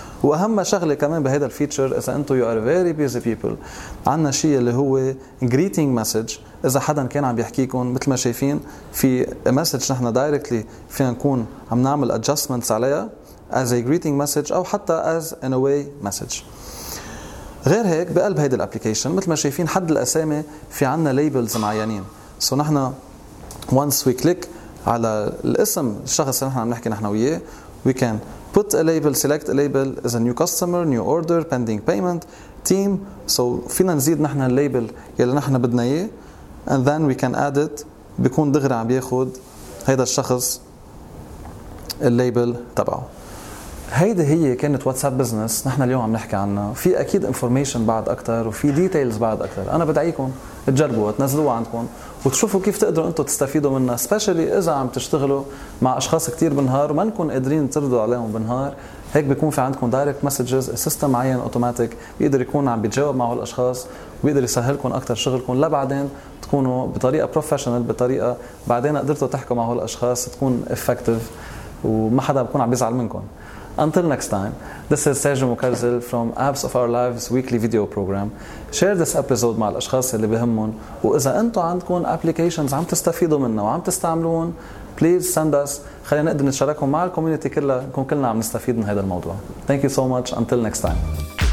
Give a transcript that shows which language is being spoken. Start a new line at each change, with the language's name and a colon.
Arabic: واهم شغله كمان بهذا الفيتشر اذا انتم
English: you are very busy people
Arabic: عندنا شيء اللي هو جريتينج مسج اذا حدا كان عم يحكيكم مثل ما شايفين في مسج نحن دايركتلي فينا نكون عم نعمل ادجستمنتس عليها
English: As a greeting message او حتى as an away message.
Arabic: غير هيك بقلب هيدا الابليكيشن مثل ما شايفين حد الاسامي في عنا ليبلز معينين. سو نحن
English: once we click
Arabic: على الاسم الشخص اللي نحن عم نحكي نحن وياه
English: we can put a label, select a label as a new customer, new order, pending payment, team.
Arabic: سو فينا نزيد نحن الليبل يلي نحن بدنا اياه
English: and then we can add it
Arabic: بيكون دغري عم ياخد هيدا الشخص الليبل تبعه. هيدي هي كانت واتساب بزنس نحن اليوم عم نحكي عنها. في اكيد انفورميشن بعد اكثر وفي ديتيلز بعد اكثر انا بدعيكم تجربوها تنزلوها عندكم وتشوفوا كيف تقدروا انتم تستفيدوا منها سبيشلي اذا عم تشتغلوا مع اشخاص كتير بنهار وما نكون قادرين تردوا عليهم بنهار. هيك بيكون في عندكم دايركت مسجز سيستم معين اوتوماتيك بيقدر يكون عم بيتجاوب معه الاشخاص وبيقدر يسهلكم اكثر شغلكم لبعدين تكونوا بطريقه بروفيشنال بطريقه بعدين قدرتوا تحكوا مع هالاشخاص تكون افكتيف وما حدا بيكون عم بيزعل منكم.
English: Until next time, this is Sergio Mukarzel from Apps of Our Lives weekly video program. Share this episode
Arabic: مع الأشخاص اللي بهمهم وإذا أنتوا عندكم applications عم تستفيدوا منها وعم تستعملون
English: please send us
Arabic: خلينا نقدر نتشاركهم مع الكوميونيتي كلها نكون كلنا عم نستفيد من هذا الموضوع.
English: Thank you so much. Until next time.